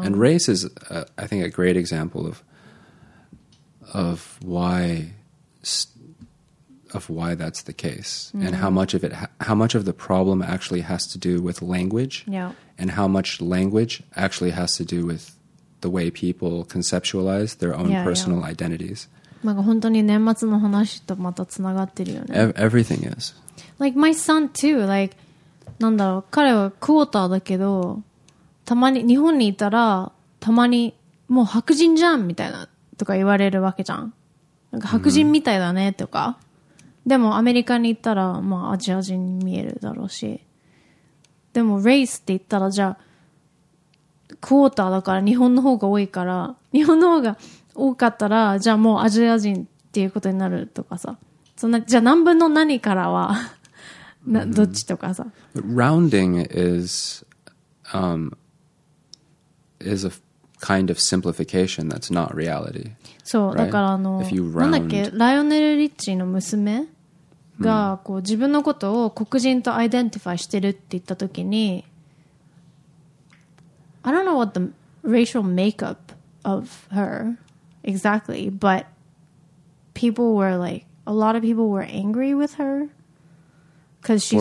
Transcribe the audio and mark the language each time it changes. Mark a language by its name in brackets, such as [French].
[English] And race is, I think, a great example of why that's the case and how much of the problem actually has to do with language and how much language actually has to do with the way people conceptualize their own personal identities. [Japanese] なんか本当に年末の話とまたつながってるよね。 [English] Everything is. Like my son too, like [Japanese] なんだろう、彼はクォーターだけど、たまに日本にいたらたまにもう白人じゃんみたいなとか言われるわけじゃん。なんか白人みたいだねとか。でもアメリカに行ったらまあアジア人に見えるだろうし、でもレースって言ったらじゃあクォーターだから日本の方が多いから、日本の方が多かったらじゃあもうアジア人っていうことになるとかさ、そんなじゃあ何分の何からはどっちとかさ、 [English] rounding is a kind of simplification that's not reality. [Japanese] そう、 [English] right? [Japanese] だからあの、 [English] if you round... [Japanese] なんだっけ、ライオネル・リッチの娘がこう自分のことを黒人とアイデンティファイしてるって言ったときに、 [English] I don't know what the racial makeup of her exactly, but people were like, a lot of people were angry with her because she's